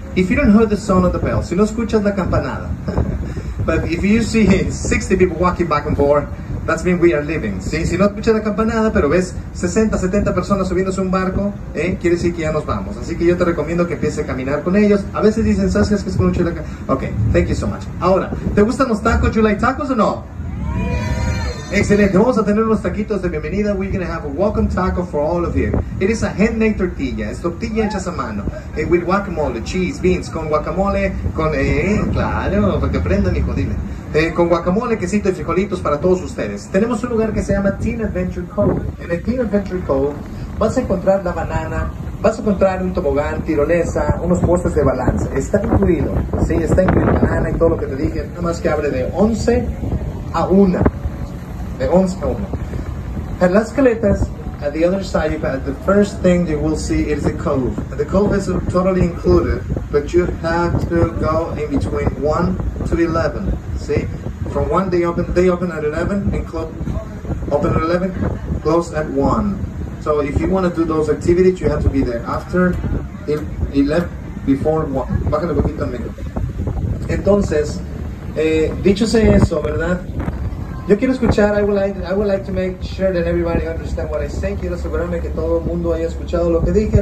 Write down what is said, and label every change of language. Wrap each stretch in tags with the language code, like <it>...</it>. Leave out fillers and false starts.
<en>If you don't hear the sound of the bell,</en> <es>si no escuchas la campanada,</es> <en>but if you see 60 people walking back and forth, that's mean we are living.</en> <es>¿Sí? Si no escuchas la campanada, pero ves 60, 70 personas subiéndose un barco, ¿eh? Quiere decir que ya nos vamos. Así que yo te recomiendo que empieces a caminar con ellos. A veces dicen, ¿sabes que es con un chile?</es> <en>Ok, thank you so much.</en> <es>Ahora, ¿te gustan los tacos?</es> <en>¿You like tacos</en> <es>o no? Excelente, vamos a tener unos taquitos de bienvenida.</es> <en>We're going to have a welcome taco for all of you. It is a handmade tortilla,</en> <es>es tortilla hecha a mano.</es> <en>With guacamole, cheese, beans,</en> <es>con guacamole, con... claro, para que aprendan, hijo, dile. Con guacamole, quesito y frijolitos para todos ustedes. Tenemos un lugar que se llama Teen Adventure Cove. En el Teen Adventure Cove vas a encontrar la banana, vas a encontrar un tobogán, tirolesa, unos postes de balance. Está incluido, sí, está incluido banana y todo lo que te dije. Nada más que abre de 11 a 1.</es> <en>The once home. At Las Caletas, at the other side, the first thing you will see is the cove. The cove is totally included, but you have to go in between 1 to 11. See? From 1, they open at 11, and close, open at 11, close at 1. So if you want to do those activities, you have to be there after 11, before 1.</en> <es>Bájale poquito al micro. Entonces, dicho sea eso, ¿verdad? Yo quiero escuchar,</es> <en>I would like to make sure that everybody understand what I say.</en> <es>Quiero asegurarme que todo el mundo haya escuchado lo que dije.</es>